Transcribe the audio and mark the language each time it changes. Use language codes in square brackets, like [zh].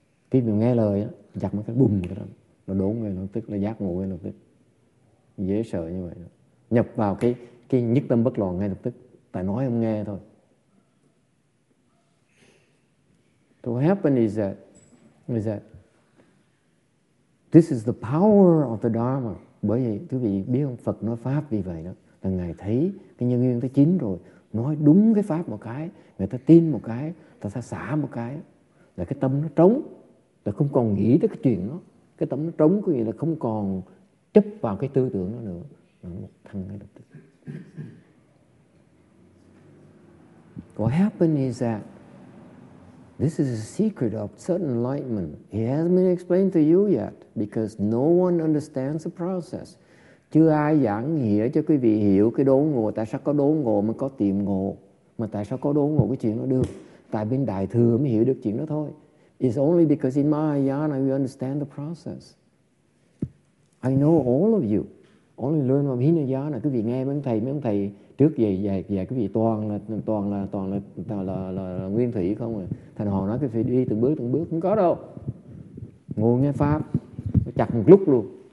[vi] Khi mình nghe lời á, chặt một cái bùm cái đó. Nó đốn ngay lập tức, nó giác ngộ ngay lập tức. Dễ sợ như vậy đó. Nhập vào cái nhất tâm bất loạn ngay lập tức. Tại nói không nghe thôi. [en] So what happened is that this is the power of the Dharma. [vi] Bởi vậy, quý vị biết không? Phật nói Pháp vì vậy đó. Là Ngài thấy cái nhân duyên tới chín rồi. Nói đúng cái Pháp một cái. Người ta tin một cái. Người ta xả một cái. Là cái tâm nó trống. Là không còn nghĩ tới cái chuyện đó. Cái tâm nó trống có nghĩa là không còn chấp vào cái tư tưởng đó nữa. Là một thân ngay lập tức. [en] What happened is that this is a secret of certain enlightenment. He hasn't been explained to you yet because no one understands the process. [vi] Chưa ai giảng nghĩa cho quý vị hiểu cái đốn ngộ, tại sao có đốn ngộ mà có tiệm ngộ, mà tại sao có đốn ngộ cái chuyện đó được. Tại bên đại thừa mới hiểu được chuyện đó thôi. [en] It's only because in Mahayana we understand the process. I know all of you. Only learn from Hinayana. [vi] Quý vị nghe mấy ông thầy trước về dạy dạy quý vị toàn là nguyên thủy không à. Thành họ nói cái phải đi từng bước không có đâu. Ngồi nghe Pháp, chặt một lúc luôn.